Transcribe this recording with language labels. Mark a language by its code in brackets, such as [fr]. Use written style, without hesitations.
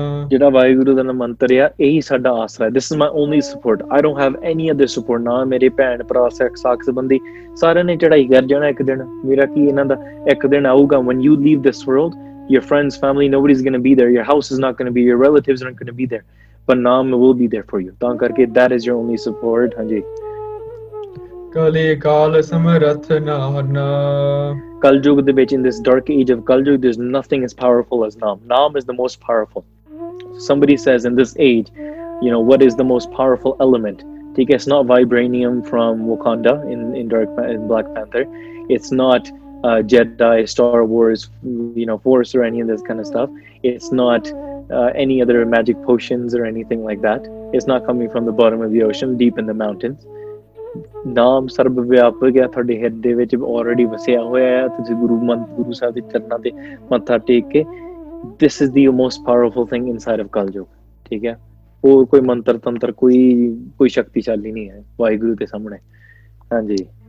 [pa] ਜਿਹੜਾ ਵਾਹਿਗੁਰੂ ਦਾ ਮੰਤਰ ਆ ਇਹੀ ਸਾਡਾ ਆਸਰਾ ਹੈ [en] this is my only support I don't have any other support [pa] ਨਾ ਮੇਰੇ ਭੈਣ ਭਰਾ ਸਿੱਖ ਸਾਖ ਸੰਬੰਧੀ ਸਾਰਿਆਂ ਨੇ ਚੜ੍ਹਾਈ ਕਰ ਜਾਣਾ ਇੱਕ ਦਿਨ ਮੇਰਾ ਕੀ ਇਹਨਾਂ ਦਾ ਇੱਕ ਦਿਨ ਆਊਗਾ [en] when you leave this world your friends family nobody is going to be there your house is not going to be your relatives aren't going to be there but Naam will be there for you [pa] ਤਾਂ ਕਰਕੇ [en] That is your only support ਹਾਂਜੀ Kaljug, in this dark age of Kaljug, there's nothing as powerful as Naam. Naam is the most powerful. Somebody says in this age, you know, what is the most powerful element? It's not vibranium from Wakanda in Black Panther. It's not Jedi, Star Wars, you know, Force or any of this kind of stuff. It's not any other magic potions or anything like that. It's not coming from the bottom of the ocean, deep in the mountains. [pa] ਨਾਮ ਸਰਬ ਵਿਆਪਕ ਆ ਤੁਹਾਡੇ ਹਿਰਦੇ ਦੇ ਵਿੱਚ already ਵਸਿਆ ਹੋਇਆ ਹੈ ਤੁਸੀਂ ਗੁਰੂ ਸਾਹਿਬ ਦੇ ਚਰਨਾਂ ਤੇ ਮੱਥਾ ਟੇਕ ਕੇ [en] this is the most powerful thing inside of Kalyug [pa] ਠੀਕ ਹੈ ਹੋਰ ਕੋਈ ਮੰਤਰ ਤੰਤਰ ਕੋਈ ਸ਼ਕਤੀਸ਼ਾਲੀ ਨਹੀਂ ਹੈ ਵਾਹਿਗੁਰੂ ਦੇ ਸਾਹਮਣੇ ਹਾਂਜੀ